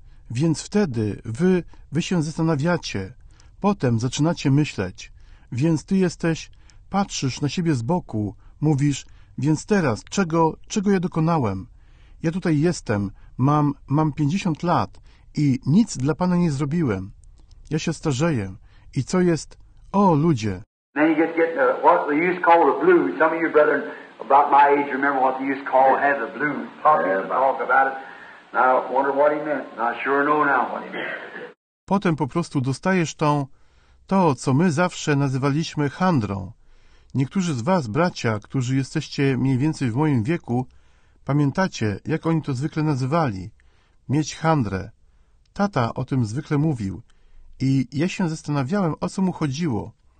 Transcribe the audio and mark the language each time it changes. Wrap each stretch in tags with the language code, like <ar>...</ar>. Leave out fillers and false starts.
<pl>Więc wtedy, wy się zastanawiacie, potem zaczynacie myśleć, więc ty jesteś, patrzysz na siebie z boku, mówisz, więc teraz, czego ja dokonałem? Ja tutaj jestem, mam 50 lat i nic dla Pana nie zrobiłem. Ja się starzeję i co jest, o ludzie...</pl> <en>Then you get the, what they used to call the blues. Some of you brethren about my age remember what they used to call, had the blues. Talk about it. Now I wonder what he meant. Now I sure know now what he meant.</en> <pl>Potem po prostu dostajesz to, co my zawsze nazywaliśmy chandrą. Niektórzy z was, bracia, którzy jesteście mniej więcej w moim wieku, pamiętacie, jak oni to zwykle nazywali. Mieć chandrę. Tata o tym zwykle mówił. I ja się zastanawiałem, o co mu chodziło.</pl>